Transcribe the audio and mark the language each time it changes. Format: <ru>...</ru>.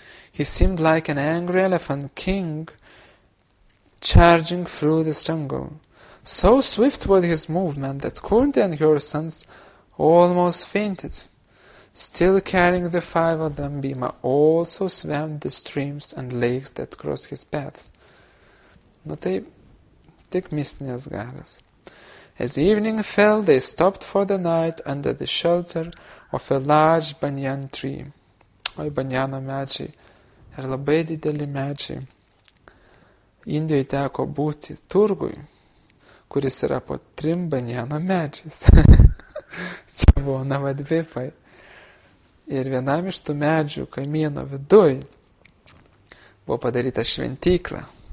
<en>He seemed like an angry elephant king charging through the jungle. So swift was his movement that Kunti and her sons almost fainted. Still carrying the five of them, Bhima also swam the streams and lakes that crossed his paths.</en> <lt>Nu tai tik mistinės galės.</lt> <en>As evening fell, they stopped for the night under the shelter of a large banyan tree.</en> <lt>Oi, banyano medžiai. Ir labai dideli medžiai. Indijoje teko būti turgui, kuris yra po trim banyano medžiais. Čia buvo navadvipai. Ir vienam iš tų medžių kaimyno viduj buvo padaryta šventykla.</lt>